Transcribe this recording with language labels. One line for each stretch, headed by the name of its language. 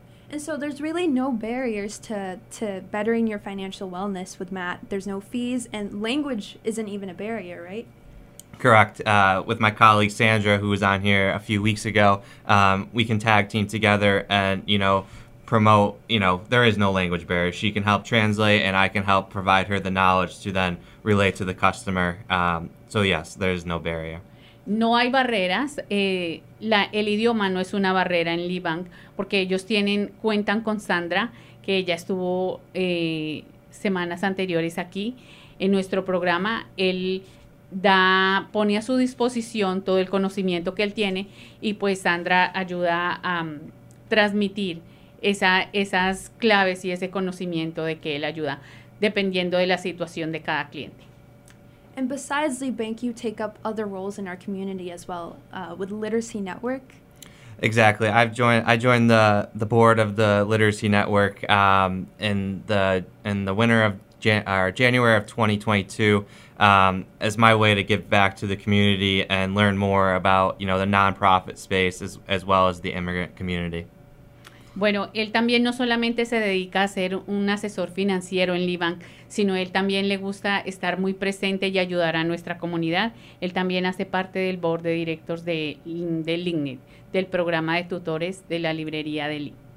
English: And so there's really no barriers to bettering your financial wellness with Matt. There's no fees, and language isn't even a barrier, right? Correct. With my colleague Sandra, who was on here a few weeks ago, we can tag team together and, you know, promote, you know, there is no language barrier. She can help translate, and I can help provide her the knowledge to then relate to the customer. So yes, there is no barrier.
Spanish: No hay barreras. El idioma no es una barrera en Libank, porque ellos cuentan con Sandra, que ella estuvo semanas anteriores aquí en nuestro programa. Él pone a su disposición todo el conocimiento que él tiene, y pues Sandra ayuda a transmitir esas claves y ese conocimiento de que él ayuda, dependiendo de la situación de cada cliente.
English: And besides the bank, you take up other roles in our community as well, with Literacy Network. Exactly. I joined the board of the Literacy Network in the winter of January of 2022, as my way to give back to the community and learn more about, you know, the nonprofit space as well as the immigrant community.
Spanish: Bueno, él también no solamente se dedica a ser un asesor financiero en Libank, sino él también le gusta estar muy presente y ayudar a nuestra comunidad. Él también hace parte del board de directores de LinkedIn, del programa de tutores de la librería de Lee.